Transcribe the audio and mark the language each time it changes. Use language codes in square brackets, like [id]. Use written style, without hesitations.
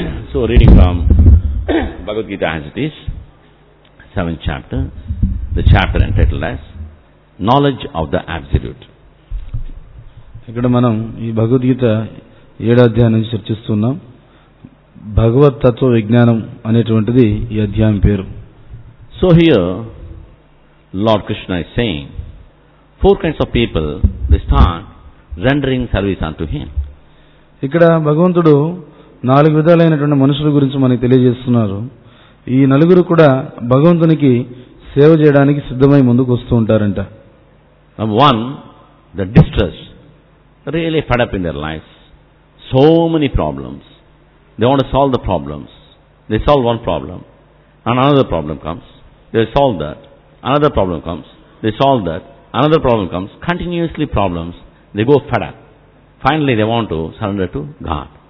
[en] So reading from Bhagavad Gita as it is 7th chapter, the chapter entitled as knowledge of the absolute. [te] ఇక్కడ మనం ఈ Bhagavad Gita 7th అధ్యాయం నుంచి చర్చిస్తున్నాం. భగవత్ తత్వ విజ్ఞానం అనేటువంటిది ఈ అధ్యాయం పేరు. [en] So here Lord Krishna is saying, four kinds of people, they start rendering service unto him. [te] ఇక్కడ భగవంతుడు నాలుగు విధాలైనటువంటి మనుషుల గురించి మనకు తెలియజేస్తున్నారు. ఈ నలుగురు కూడా భగవంతునికి సేవ చేయడానికి సిద్ధమై ముందుకు వస్తూ ఉంటారంట. [en] One, the distress, really fed up in their life, so many problems, they want to solve the problems, they solve one problem and another problem comes, they solve that another problem comes, they solve that, another problem comes, continuously problems, they go fed up, finally they want to surrender to God.